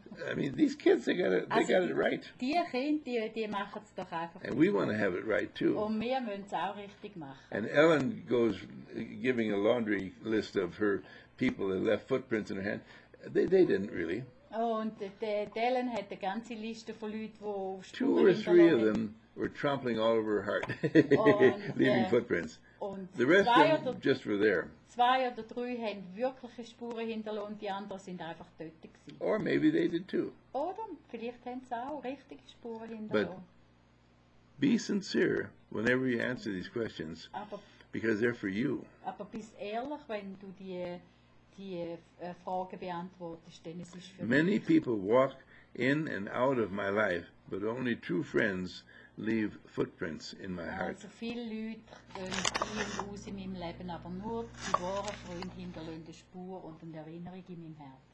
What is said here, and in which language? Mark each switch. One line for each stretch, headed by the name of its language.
English: I mean, these kids, they got it right.
German: Die Kinder, die machen es doch einfach.
English: And we want to have it right, too.
German: Und wir müssen es auch richtig machen.
English: And Ellen goes giving a laundry list of her people that left footprints in her hand. They didn't really.
German: Oh, und Ellen hat eine ganze Liste von Leuten, wo
English: two or three of them were trampling all over her heart, leaving footprints.
German: Und
English: the rest of them just were there.
German: Zwei oder drei haben wirkliche Spuren hinterlassen, die anderen sind einfach dort gewesen.
English: Or maybe they did too.
German: Oder vielleicht haben sie auch richtige Spuren hinterlassen.
English: But be sincere whenever you answer these questions, because they're for you.
German: Aber bist ehrlich, wenn du die Frage beantwortest, denn es ist für
English: many
German: mich.
English: People walk in and out of my life, but only true friends leave footprints in my heart.
German: Also viele Leute gehen viel aus in meinem Leben, aber nur die wahren Freunde hinterlassen eine Spur und eine Erinnerung in meinem Herz.